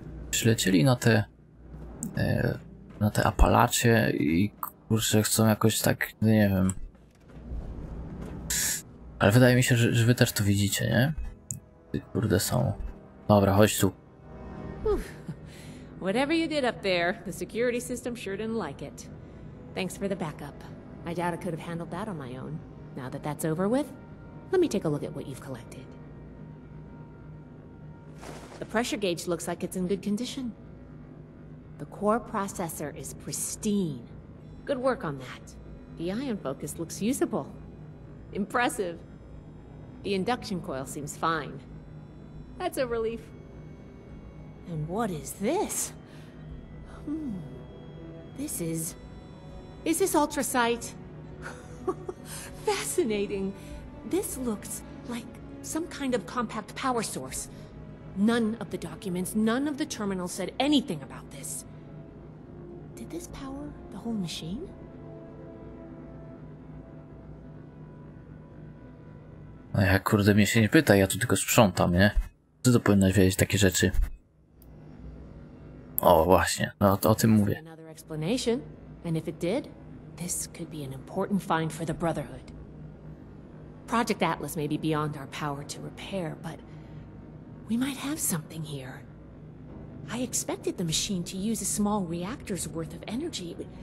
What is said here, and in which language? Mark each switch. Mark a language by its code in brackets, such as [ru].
[pl] Przylecieli na te... na te Apalacie i... kurczę, chcą jakoś tak... nie wiem... Ale wydaje mi się, że wy też to widzicie, nie? Ty, kurde, są... Dobra, chodź tu. [en] Whatever you did up there, the security system sure didn't like it. Thanks for the backup. I doubt I could have handled that on my own. Now that that's over with, let me take a look at what you've collected. The pressure gauge looks like it's in good condition. The core processor is pristine. Good work on that. The ion focus looks usable. Impressive. The induction coil seems fine. That's a relief. And what is this? This is... is this ultracite? Fascinating! This looks like some kind of compact power source. None of the documents, none of the terminals said anything about this. Did this power the whole machine? [pl] No ja, kurde, mnie się nie pyta, ja tu tylko sprzątam, nie? Co to powinnaś wiedzieć takie rzeczy? O, właśnie, no o tym mówię. [en] Another explanation. And if it did, this could be an important find for the Brotherhood. Project Atlas may be beyond our power to repair, but we might have something here. I expected the machine to use a small reactor's worth of energy.